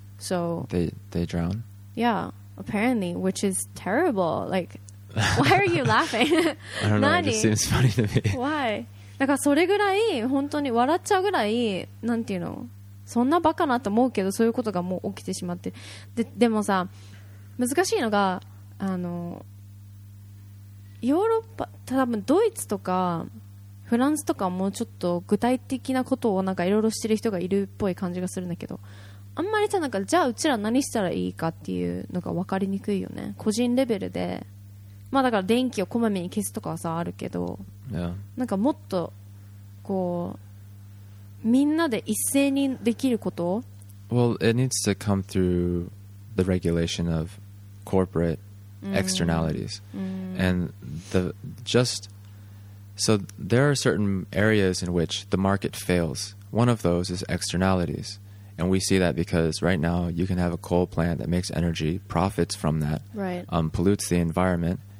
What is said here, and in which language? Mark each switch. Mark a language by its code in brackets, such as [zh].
[en] So they drown. Yeah, apparently, which is terrible. Like. Why are you laughing? I don't know, it just seems funny to me. Why? [ja] だからそれぐらい本当に笑っちゃうぐらい、なんていうの、そんなバカなと思うけど、そういうことがもう起きてしまって、でもさ、難しいのがあのヨーロッパ、多分ドイツとかフランスとかもうちょっと具体的なことをなんかいろいろしてる人がいるっぽい感じがするんだけど、あんまりさ、なんかじゃあうちら何したらいいかっていうのが分かりにくいよね、個人レベルで。まあ、だから電気をこまめに消すとかはさあるけど、なんかもっとこうみんなで一斉にできること。 [en] Well, it needs to come through the regulation of corporate externalities, and the just so there are certain areas in which the market fails. One of those is externalities, and we see that because right now you can have a coal plant that makes energy, profits from that, pollutes the environment.